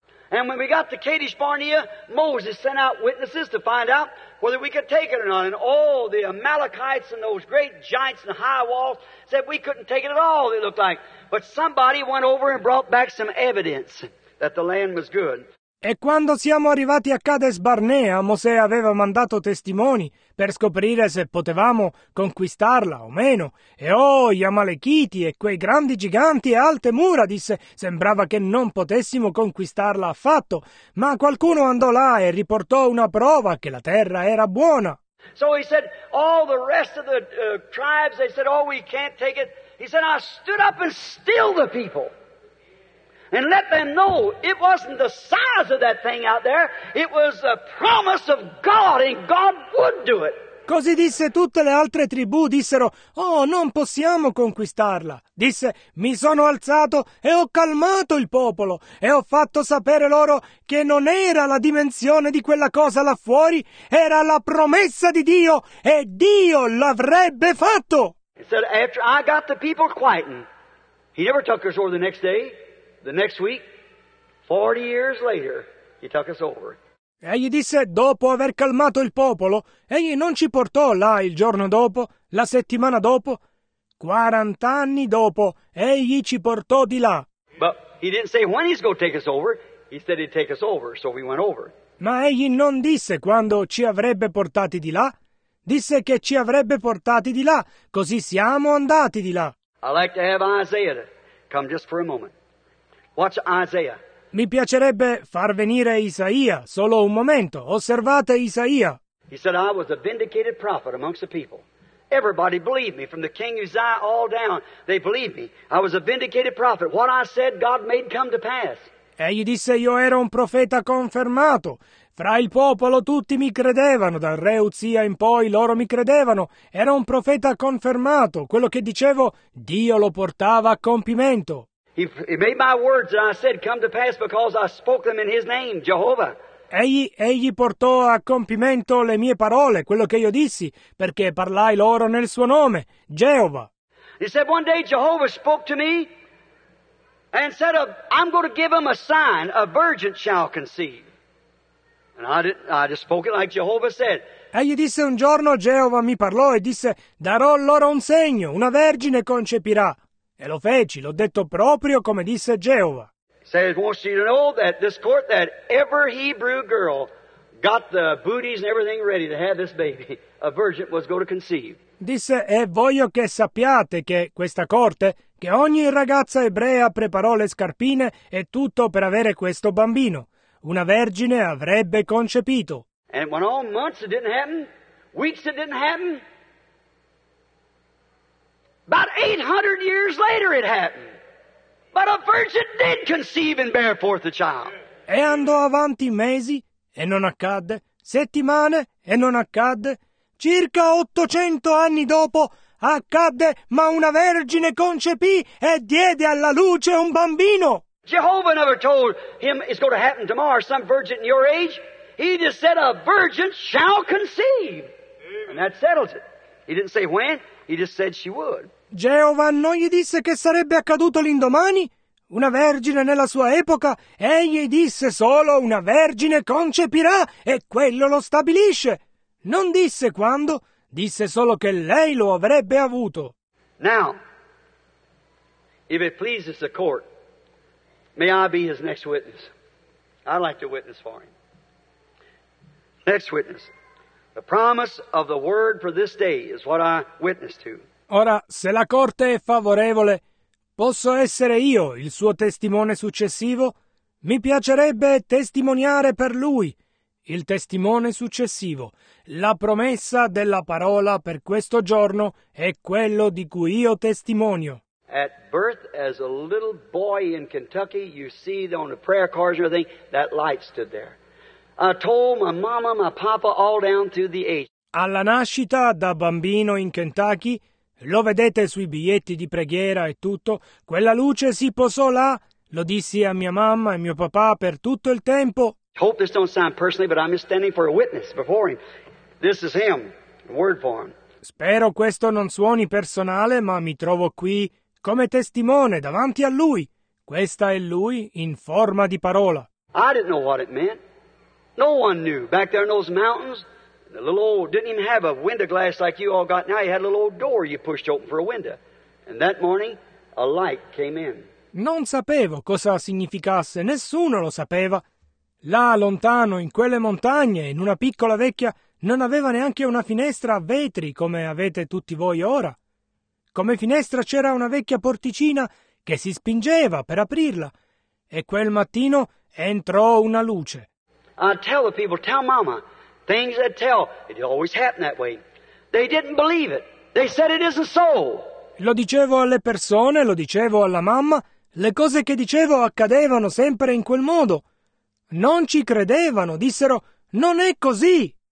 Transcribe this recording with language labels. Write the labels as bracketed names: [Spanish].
[English] And when we got to Kadesh Barnea, Moses sent out witnesses to find out whether we could take it or not. And all the Amalekites and those great giants and high walls said we couldn't take it at all, it looked like. But somebody went over and brought back some evidence that the land was good. [Italian] E quando siamo arrivati a Kadesh Barnea, Mosè aveva mandato testimoni per scoprire se potevamo conquistarla o meno. E gli Amalekiti e quei grandi giganti e alte mura, disse, sembrava che non potessimo conquistarla affatto. Ma qualcuno andò là e riportò una prova che la terra era buona. [English] So he said, all the rest of the tribes, they said, oh, we can't take it. He said, I stood up and stilled the people. And let them know it wasn't the size of that thing out there, it was a promise of God, and God would do it. [Italian] Così disse tutte le altre tribù, dissero, oh, non possiamo conquistarla. Disse, mi sono alzato e ho calmato il popolo, e ho fatto sapere loro che non era la dimensione di quella cosa là fuori, era la promessa di Dio, e Dio l'avrebbe fatto. [English] He said, after I got the people quietened, he never took us over the next day. The next week, 40 years later, he took us over. [Italian] Egli disse, dopo aver calmato il popolo, egli non ci portò là il giorno dopo, la settimana dopo. 40 anni dopo, egli ci portò di là. [English] But he didn't say when he's going to take us over. He said he'd take us over, so we went over. [Italian] Ma egli non disse quando ci avrebbe portati di là. Disse che ci avrebbe portati di là, così siamo andati di là. [English] I'd like to have Isaiah come just for a moment. Watch Isaiah. [Italian] Mi piacerebbe far venire Isaia, solo un momento. Osservate Isaia. [English] He said, I was a vindicated prophet amongst the people. Everybody believed me, from the king Uzziah all down. They believed me. I was a vindicated prophet. What I said, God made come to pass. [Italian] Egli disse, io ero un profeta confermato. Fra il popolo tutti mi credevano, dal re Uzia in poi loro mi credevano. Era un profeta confermato. Quello che dicevo, Dio lo portava a compimento. [English] He made my words that I said come to pass because I spoke them in his name, Jehovah. [Italian] Egli portò a compimento le mie parole, quello che io dissi, perché parlai loro nel suo nome, Jehovah. [English] He said one day Jehovah spoke to me and said, I'm going to give him a sign, a virgin shall conceive. And I just spoke it like Jehovah said. [Italian] Egli disse un giorno, Jehovah mi parlò e disse, darò loro un segno, una vergine concepirà. E lo feci, l'ho detto proprio come disse Geova. [English] Says, wants you to know that this court, that every Hebrew girl got the booties and everything ready to have this baby, a virgin was going to conceive. [Italian] Disse, e voglio che sappiate che questa corte, che ogni ragazza ebrea preparò le scarpine e tutto per avere questo bambino, una vergine avrebbe concepito. [English] And it went on months, it didn't happen, weeks, it didn't happen. About 800 years later it happened. But a virgin did conceive and bear forth a child. [Italian] E andò avanti mesi e non accadde, settimane e non accadde. Circa 800 anni dopo accadde, ma una vergine concepì e diede alla luce un bambino. [English] Jehovah never told him it's going to happen tomorrow, some virgin in your age. He just said a virgin shall conceive. And that settles it. He didn't say when, he just said she would. [Italian] Geova non gli disse che sarebbe accaduto l'indomani? Una vergine nella sua epoca? Egli disse solo una vergine concepirà e quello lo stabilisce. Non disse quando, disse solo che lei lo avrebbe avuto. [English] Now, if it pleases the court, may I be his next witness. I'd like to witness for him. Next witness. The promise of the word for this day is what I witness to. [Italian] Ora, se la corte è favorevole, posso essere io il suo testimone successivo? Mi piacerebbe testimoniare per lui il testimone successivo. La promessa della parola per questo giorno è quello di cui io testimonio. [English] At birth, as a little boy in Kentucky, you see on the prayer cards and everything, that light stood there. I told my mama, my papa, all down through the ages. [Italian] Alla nascita, da bambino in Kentucky, lo vedete sui biglietti di preghiera e tutto, quella luce si posò là, lo dissi a mia mamma e mio papà per tutto il tempo. [English] Hope this don't sound personally, but I'm just standing for a witness before him. This is him, word for him. [Italian] Spero questo non suoni personale, ma mi trovo qui come testimone davanti a lui. Questa è lui in forma di parola. [English] I didn't know what it meant. No one knew. Back there in those mountains, the little old, didn't even have a window glass like you all got now. You had a little old door you pushed open for a window. And that morning, a light came in. [Italian] Non sapevo cosa significasse, nessuno lo sapeva. Là, lontano, in quelle montagne, in una piccola vecchia, non aveva neanche una finestra a vetri, come avete tutti voi ora. Come finestra c'era una vecchia porticina che si spingeva per aprirla. E quel mattino entrò una luce. [English] I tell the people, tell mama, things that tell, it always happened that way. They didn't believe it. They said it isn't so. [Italian] Lo dicevo alle persone, lo dicevo alla mamma, le cose che dicevo accadevano sempre in quel modo. Non ci credevano, dissero, non è così.